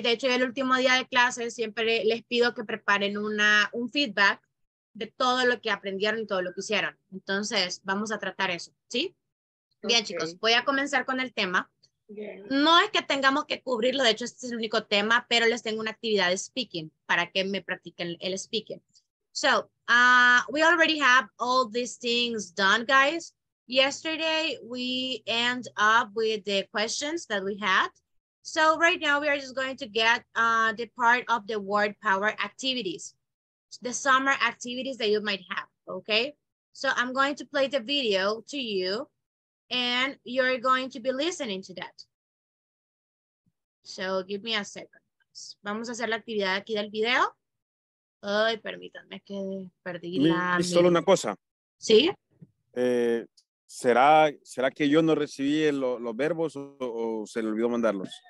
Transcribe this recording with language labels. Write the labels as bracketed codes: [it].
[es] De hecho, el último día de clase siempre les pido que preparen un feedback de todo lo que aprendieron y todo lo que hicieron. Entonces, vamos a tratar eso, ¿sí? Bien, okay. Chicos, voy a comenzar con el tema. Bien. No es que tengamos que cubrirlo, de hecho este es el único tema, pero les tengo una actividad de speaking para que me practiquen el speaking. [en] So, we already have all these things done, guys. Yesterday we end up with the questions that we had. So right now we are just going to get the part of the word power activities, the summer activities that you might have, okay? So I'm going to play the video to you. And you're going to be listening to that. So give me a second. [es] Vamos a hacer la actividad aquí del video. Ay, permítanme que perdí la... Y solo una cosa. ¿Sí? ¿Será que yo no recibí los verbos o se le olvidó mandarlos?